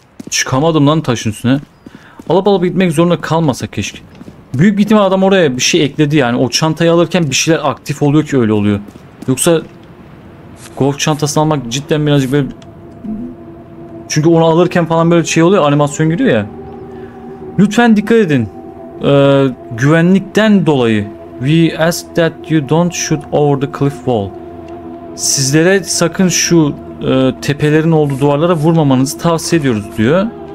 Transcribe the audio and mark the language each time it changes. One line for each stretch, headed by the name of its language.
Turkish: Çıkamadım lan taşın üstüne. Alıp alıp gitmek zorunda kalmasa keşke. Büyük bir ihtimal adam oraya bir şey ekledi yani. O çantayı alırken bir şeyler aktif oluyor ki öyle oluyor. Yoksa golf çantasını almak cidden birazcık böyle... Çünkü onu alırken falan böyle şey oluyor, animasyon giriyor ya. Lütfen dikkat edin. Güvenlikten dolayı.
English: We ask that you don't shoot over the cliff wall.
Turkish: Sizlere sakın şu tepelerin olduğu duvarlara vurmamanızı tavsiye ediyoruz diyor.